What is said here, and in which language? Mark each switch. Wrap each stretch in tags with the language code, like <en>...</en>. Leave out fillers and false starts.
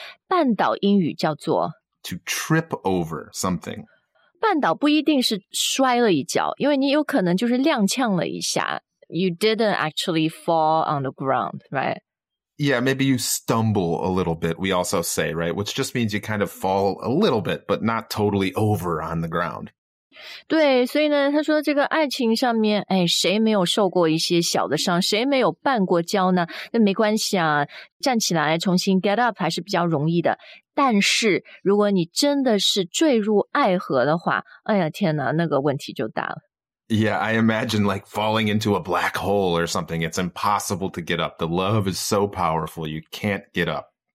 <zh>其实他说如果你被爱或者在爱的道路上绊倒的话，绊倒英语叫做</zh> <en>to trip over something.</en> <zh>绊倒不一定是摔了一跤，因为你有可能就是踉跄了一下。</zh> <en>You didn't actually fall on the ground, right? Yeah, maybe you stumble a little bit, we also say, right? Which just means you kind of fall a little bit, but not totally over on the ground.</en> <zh>对，所以呢，他说这个爱情上面，哎，谁没有受过一些小的伤，谁没有绊过跤呢？那没关系啊，站起来重新</zh> <en>get up</en> <zh>还是比较容易的。但是如果你真的是坠入爱河的话，哎呀，天哪，那个问题就大了。</zh> <en>Yeah, I imagine like falling into a black hole or something. It's impossible to get up. The love is so powerful, you can't get up.</en>